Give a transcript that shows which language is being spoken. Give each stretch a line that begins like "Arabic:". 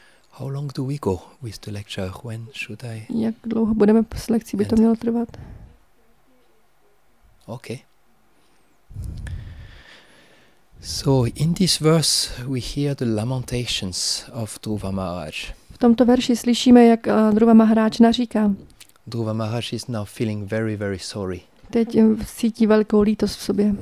English: How long do we go with the lecture? When should I?
Czech: Jak dlouho budeme s lekcí, by to mělo trvat?
English: Okay. So in this verse we hear the lamentations of Dhruva Maharaj.
Czech: V tomto verši slyšíme, jak Dhruva Maharaj naříká.
English: Dhruva Maharaj is now feeling very, very sorry.
Czech: Teď cítí velkou lítost v sobě.